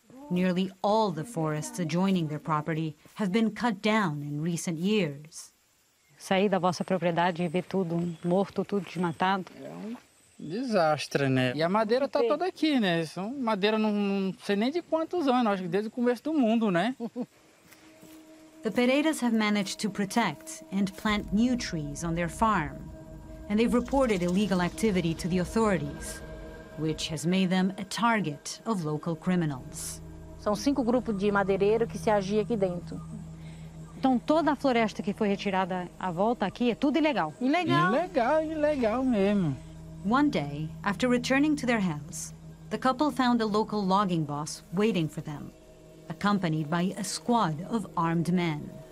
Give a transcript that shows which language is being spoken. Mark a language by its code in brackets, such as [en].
[en] Nearly all the forests adjoining their property have been cut down in recent years. [pt] Sair da vossa propriedade e ver tudo morto, tudo desmatado. Desastre, né? E a madeira tá toda aqui, né? São madeira não sei nem de quantos anos, acho que desde o começo do mundo, né? [en] The Pereiras have managed to protect and plant new trees on their farm, and they've reported illegal activity to the authorities, which has made them a target of local criminals. [pt] São cinco grupos de madeireiro que se agia aqui dentro. Então toda a floresta que foi retirada à volta aqui é tudo ilegal. Ilegal. Ilegal, ilegal mesmo. [en] One day, after returning to their house, the couple found a local logging boss waiting for them, accompanied by a squad of armed men.